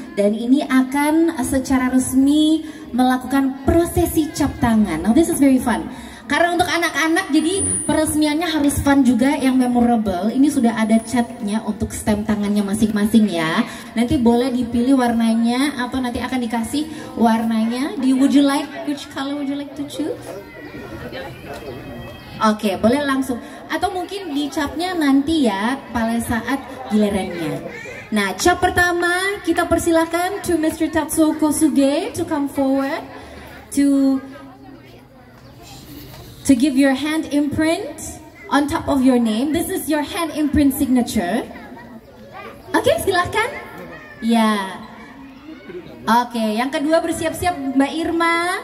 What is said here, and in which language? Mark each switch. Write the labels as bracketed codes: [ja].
[id] Dan ini akan secara resmi melakukan prosesi cap tangan. [en] Now this is very fun. [id] Karena untuk anak-anak jadi peresmiannya harus fun juga yang memorable. Ini sudah ada catnya untuk stem tangannya masing-masing ya. Nanti boleh dipilih warnanya atau nanti akan dikasih warnanya. [en] Do you, would you like, which color would you like to choose? [id] Oke, boleh langsung. Atau mungkin dicapnya nanti ya, pada saat gilirannya. Nah, cap pertama kita persilahkan [en] to Mr. Tatsuo Kosuge to come forward to give your hand imprint on top of your name. This is your hand imprint signature. [id] Oke, silahkan. Ya. Oke, yang kedua bersiap-siap Mbak Irma.